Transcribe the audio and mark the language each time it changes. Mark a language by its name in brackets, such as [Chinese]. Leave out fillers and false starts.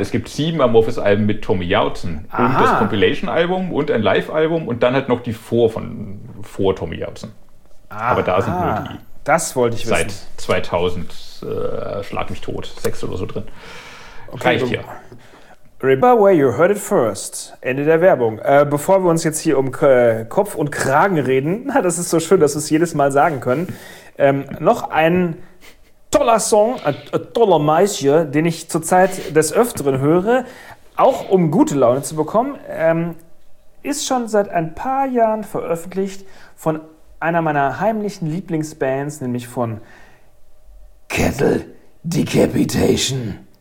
[German] Es gibt 7 Amorphis-Alben mit Tommy Jauten. Und das Compilation-Album und ein Live-Album und dann halt noch die vor Tommy Jauten. Aber da sind nur die. Das wollte ich wissen. Seit 2000, schlag mich tot, 6 oder so drin. Okay. Reicht hier. [English] Remember where you heard it first. [German] Ende der Werbung. Bevor wir uns jetzt hier um Kopf und Kragen reden, na, das ist so schön, dass wir es jedes Mal sagen können, noch ein toller Song, ein toller Maisje, den ich zurzeit des Öfteren höre, auch um gute Laune zu bekommen, ist schon seit ein paar Jahren veröffentlicht von einer meiner heimlichen Lieblingsbands, nämlich von Kettle Decapitation.